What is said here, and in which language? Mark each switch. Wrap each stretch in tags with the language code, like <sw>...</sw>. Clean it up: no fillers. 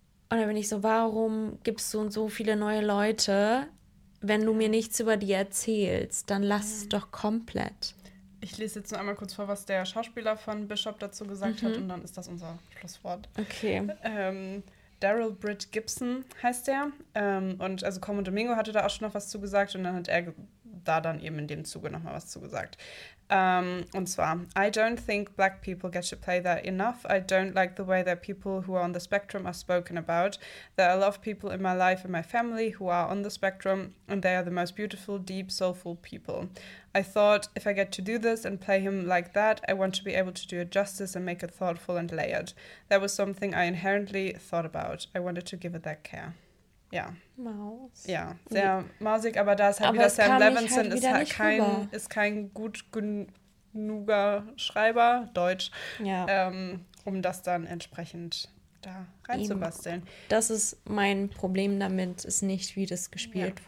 <de>Und dann bin ich so, warum gibt es so und so viele neue Leute, wenn du mir nichts über die erzählst, dann lass es doch komplett. Ich lese jetzt nur einmal kurz vor, was der Schauspieler von Bishop dazu gesagt hat und dann ist das unser Schlusswort. Okay. Daryl Britt Gibson heißt er. Und also Common Domingo hatte da auch schon noch was zu gesagt. Und dann hat er da dann eben in dem Zuge nochmal was zugesagt. Und zwar,</de> <en>I don't think black people get to play that enough. I don't like the way that people who are on the spectrum are spoken about. There are a lot of people in my life and my family who are on the spectrum, and they are the most beautiful, deep, soulful people. I thought, if I get to do this and play him like that, I want to be able to do it justice and make it thoughtful and layered. That was something I inherently thought about. I wanted to give it that care.</en> <de>Ja. Maus. Ja, sehr mausig, aber da ist halt aber wieder Sam Levinson, halt wieder ist kein gut genuger Schreiber, Deutsch, ja. Um das dann entsprechend da reinzubasteln. Das ist mein Problem damit, ist nicht, wie das gespielt ja.</de>